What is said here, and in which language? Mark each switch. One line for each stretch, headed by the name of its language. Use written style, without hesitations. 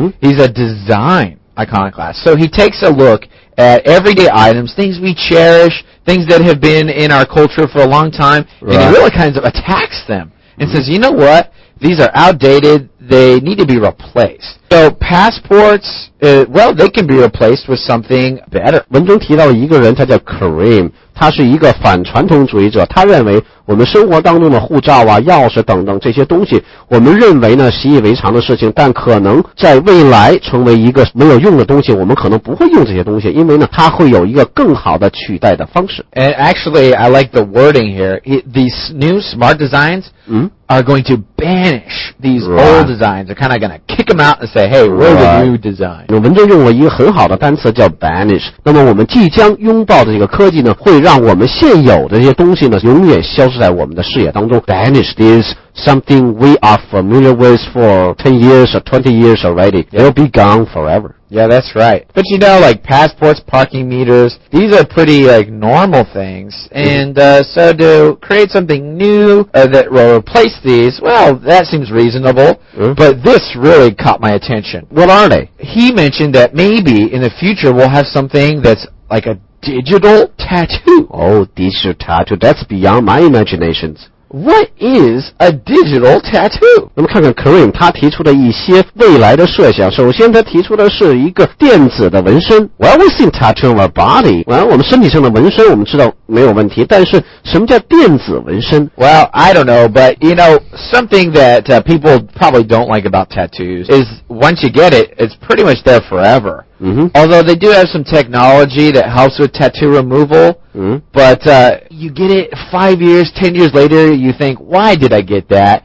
English: He's a design iconoclast. So he takes a lookat everyday items, things we cherish, things that have been in our culture for a long time, and he really kind of attacks them and says, you know what? These are outdated. They need to be replaced. So passports, well, they can be replaced with something better.
Chinese: 文中提到一个人，他叫 Kareem, 他是一个反传统主义者，他认为我们生活当中的护照啊、钥匙等等这些东西，我们认为呢习以为常的事情，但可能在未来成为一个没有用的东西，我们可能不会用这些东西，因为呢它会有一个更好的取代的方式。
English: And actually, I like the wording here. These new smart designs are going to banish these old designs. They're kind of going to kick them out and say, hey, we're the new design.
Chinese: 文中用了一个很好的单词叫 banish. 那么我们即将拥抱的这个科技呢，会让我们现有的这些东西呢永远消失。都是在我们的视野当中。
English: Banished is something we are familiar with for 10 years or 20 years already. It'll be gone forever. Yeah, that's right. But you know, like passports, parking meters, these are pretty like normal things. And so to create something new that will replace these, well, that seems reasonable. But this really caught my attention. What are they? He mentioned that maybe in the future we'll have something that's like a digital tattoo tattoo? Oh, digital tattoo. That's beyond my imagination. What is a digital tattoo?
Chinese: 那么看看 Kareem 他提出的一些未来的设想。首先他提出的是一个电子的纹身。
English: Well, we've seen tattoo of our body.
Chinese: Well, 我们身体上的纹身我们知道没有问题。但是什么叫电子纹身？
English: Well, I don't know, but you know, something that people probably don't like about tattoos is once you get it, it's pretty much there forever. Mm-hmm. Although they do have some technology that helps with tattoo removal, but you get it 5 years, 10 years later, you think, why did I get that?